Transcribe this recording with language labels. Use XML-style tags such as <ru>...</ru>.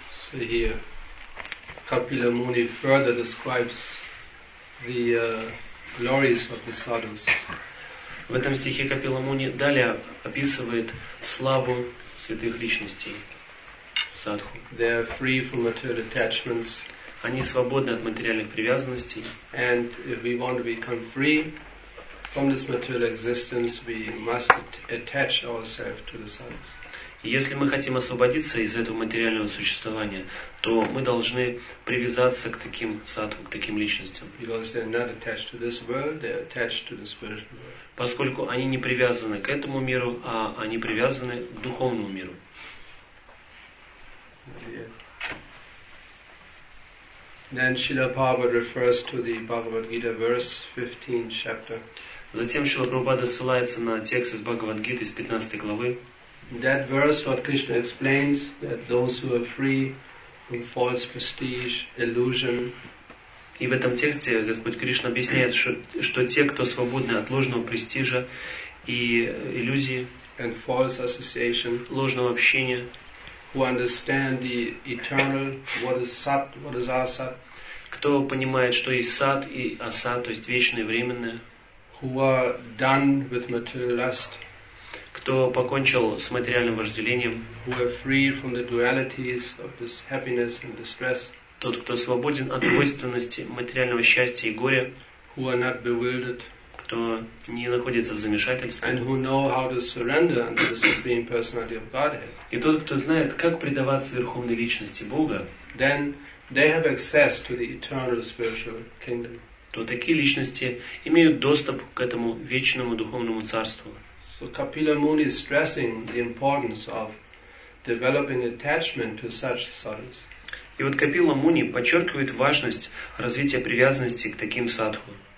<en>So here, Kapila Muni further describes the glories of the sadhus.</en> <ru>В этом стихе Капила Муни далее описывает славу святых личностей, садху.</ru> <en>They are free from material attachments.</en> <ru>Они свободны от материальных привязанностей.</ru> <en>And if we want to become free from this material existence, we must attach ourselves to the sadhus.</en> <ru>Если мы хотим освободиться из этого материального существования, то мы должны привязаться к таким садху, к таким личностям.</ru> <en>Because they are not attached to this world, they are attached to the spiritual world.</en> <ru>Поскольку они не привязаны к этому миру, а они привязаны к духовному миру.</ru> <en>Then Srila Prabhupada refers to the Bhagavad Gita verse 15 chapter.</en> <ru>Затем Шрила Прабхупада ссылается на текст из Бхагавад Гиты из 15 главы.</ru> <en>That verse what Krishna explains that those who are free from false prestige, illusion.</en> <ru>И в этом тексте Господь Кришна объясняет, что те, кто свободны от ложного престижа и иллюзии,</ru> <en>and false association,</en> <ru>ложного общения,</ru> <en>who understand the eternal, what is sat, what is asa,</en> <ru>кто понимает, что есть сат и аса, то есть вечное и временное,</ru> <en>who are done with material lust,</en> <ru>кто покончил с материальным вожделением,</ru> <en>who are free from the dualities of this happiness and distress,</en> <ru>тот, кто свободен от двойственности, материального счастья и горя,</ru> <en>who are not bewildered,</en> <ru>кто не находится в замешательстве,</ru> <en>and who know how to surrender unto the Supreme Personality of Godhead,</en> <ru>и тот, кто знает, как предаваться Верховной Личности Бога,</ru> <en>then they have access to the eternal spiritual kingdom.</en> <ru>То такие личности имеют доступ к этому вечному духовному царству.</ru> <en>So Kapila Muni is stressing the importance of developing attachment to such sadhus.</en> <ru>И вот Капила Муни подчеркивает важность развития привязанности к таким садху.</ru>